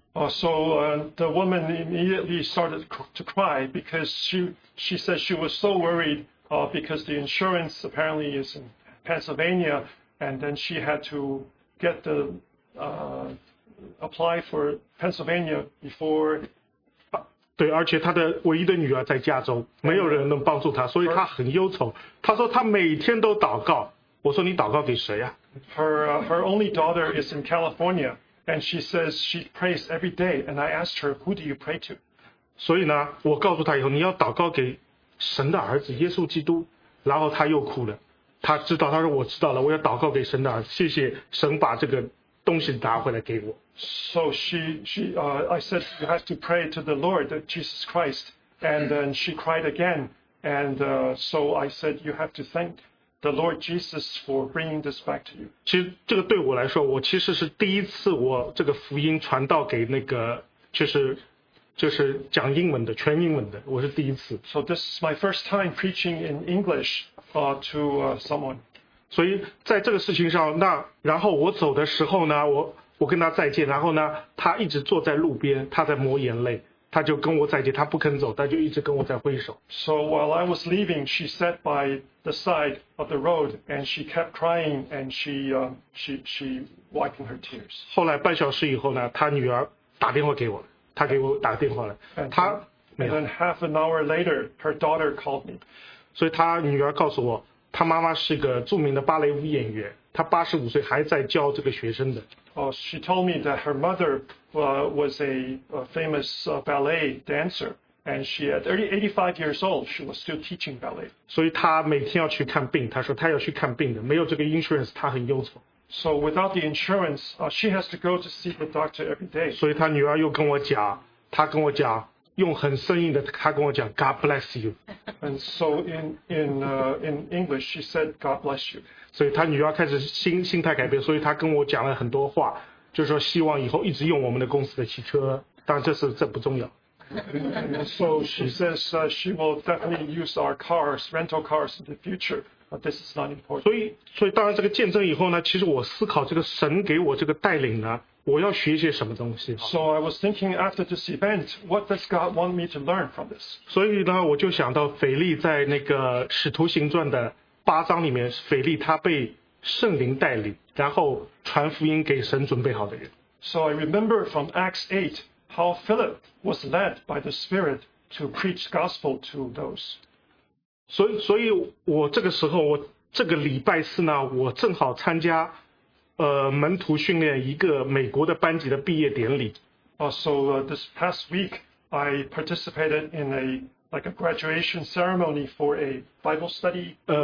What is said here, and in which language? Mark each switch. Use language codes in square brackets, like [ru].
[en] So the woman immediately started to cry because she said she was so worried because the insurance apparently is in Pennsylvania and then she had to get theapply for Pennsylvania before [zh] 对而且他的唯一的女儿在加州没有人能帮助他所以他很忧愁他说他每天都祷告我说你祷告给谁啊 [en] her only daughter is in California and she says she prays every day and I asked her who do you pray to [zh] 所以呢我告诉他以后你要祷告给神的儿子耶稣基督然后他又哭了他知道他说我知道了我要祷告给神的儿子谢谢神把这个东西拿回来给我。 [en] So I said you have to pray to the Lord, Jesus Christ, and then she cried again. And so I said you have to thank the Lord Jesus for bringing this back to you. [zh] 其实这个对我来说，我其实是第一次我这个福音传道给那个就是讲英文的，全英文的，我是第一次。 [en] So this is my first time preaching in English to someone. [zh] 所以在这个事情上，那然后我走的时候呢，我跟他再见，然后呢，他一直坐在路边，他在抹眼泪，他就跟我在一起，他不肯走，他就一直跟我在挥手。 [en] So while I was leaving, she sat by the side of the road and she kept crying and she wiping her tears. [zh] 后来半小时以后呢，他女儿打电话给我，他给我打电话了。 [en] And then half an hour later, her daughter called me. [zh] 所以他女儿告诉我，他妈妈是个著名的芭蕾舞演员，他八十五岁还在教这个学生的。 [en] Oh, she told me that her mother was a famous ballet dancer, and she at 85 years old, she was still teaching ballet. [zh] 所以她每天要去看病，她说她要去看病的，没有这个 insurance, 她很忧愁。 [en] So without the insurance, she has to go to see the doctor every day. [zh] 所以她女儿又跟我讲，她跟我讲，用很生硬的，她跟我讲 ， [en] God bless you. And so in English, she said, God bless you. [zh] 所以她女儿开始心态改变，所以她跟我讲了很多话，就是说希望以后一直用我们的公司的汽车，但这不重要。 [en] So she says she will definitely use our cars, rental cars in the future. But this is not important. [zh] 所以当然这个见证以后呢，其实我思考这个神给我这个带领呢，我要学一些什么东西。 [en] So I was thinking after this event, what does God want me to learn from this? [zh] 所以呢，我就想到腓力在那个《使徒行传》的八章里面，腓力他被圣灵带领，然后传福音给神准备好的人。 [en] So I remember from Acts 8 how Philip was led by the Spirit to preach gospel to those. [zh] 所以我这个时候，我这个礼拜四呢，我正好参加门徒训练一个美国的班级的毕业典礼。 [en] So this past week, I participated in a graduation ceremony for a Bible study.